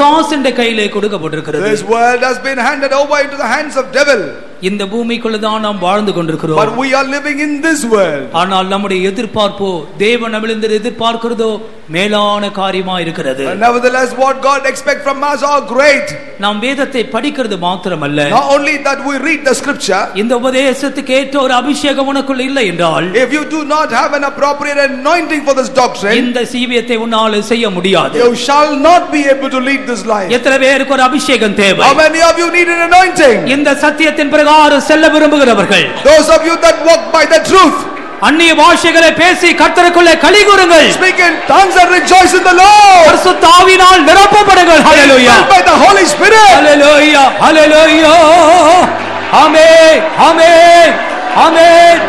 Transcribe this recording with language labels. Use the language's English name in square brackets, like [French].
[English] world has been handed over into the hands of devil. [Tamil] இந்த பூமிக்குள்ளதான் நாம் வாழ்ந்து கொண்டிருக்கிறோம். [English] But we are living in this world. [Tamil] ஆனால் நம்முடைய எதிர்பார்ப்பு தேவன் அவிழ்ந்து எதிர்பார்க்கிறதோ மேலான காரியமா இருக்கிறது. [English] Nevertheless, what God expects from us are great. [Tamil] நாம் வேதத்தை படிக்கிறது மாத்திரமல்ல. [English] Not only that we read the scripture. [Tamil] இந்த உபதேசத்துக்கு ஏற்ற ஒரு அபிஷேகம் உனக்குள்ள இல்லை என்றால், [English] if you do not have an appropriate anointing for this doctrine, [Tamil] இந்த சீவியத்தை உன்னால் செய்ய முடியாது. [English] You shall not be able to lead this life. [Tamil] எத்தனை பேருக்கு ஒரு அபிஷேகம் தேவை? [English] How many of you need an anointing? [Tamil] இந்த சத்தியத்தின் செல்ல விரும்புகிறவர்கள் அந்நிய பாஷைகளை பேசி கர்த்தருக்குள்ளே களி கூறுங்கள், பரிசுத்தாவினால் நிரப்பப்படுங்கள். ஹல்லேலூயா, [English] by the Holy Spirit. [Tamil] Hallelujah, hallelujah, amen, amen, amen.